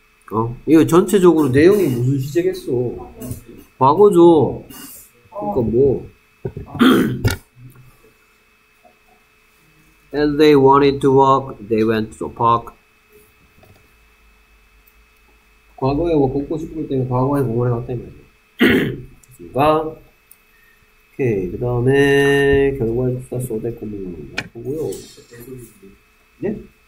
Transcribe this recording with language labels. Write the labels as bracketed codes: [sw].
[ko] 어? 이거 전체적으로 내용이 무슨 시제겠어? 과거죠. 그러니까 뭐 [en] As they wanted to walk, they went to the park. [ko] 과거에 뭐 걷고 싶을 때는 과거에 공원에 갔다 이 말이야. 됐습니까? 오케이. 그 다음에 결과에 따라서 어디에 공부를 하고요. 네?